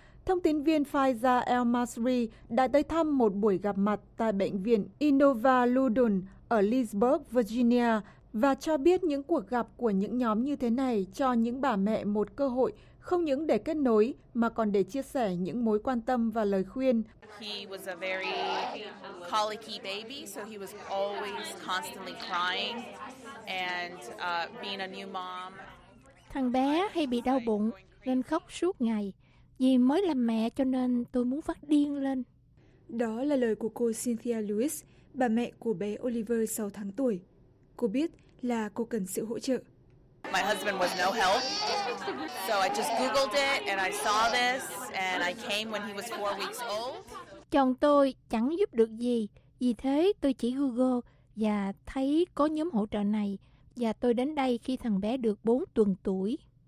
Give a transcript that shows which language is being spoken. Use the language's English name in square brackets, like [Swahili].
[Vietnamese] Thông tin viên Faiza El-Masri đã tới thăm một buổi gặp mặt tại Bệnh viện Innova Loudoun ở Leesburg, Virginia và cho biết những cuộc gặp của những nhóm như thế này cho những bà mẹ một cơ hội không những để kết nối mà còn để chia sẻ những mối quan tâm và lời khuyên. [English] He was a very colicky baby, so he was always constantly crying and being a new mom. [Vietnamese] Thằng bé hay bị đau bụng nên khóc suốt ngày. Vì mới làm mẹ cho nên tôi muốn phát điên lên. Đó là lời của cô Cynthia Lewis, bà mẹ của bé Oliver 6 tháng tuổi. Cô biết là cô cần sự hỗ trợ. [English] My husband was no help. So I just googled it and I saw this and I came when he was 4 weeks old. [Vietnamese] Chồng tôi chẳng giúp được gì, vì thế tôi chỉ Google và thấy có nhóm hỗ trợ này và tôi đến đây khi thằng bé được 4 tuần tuổi.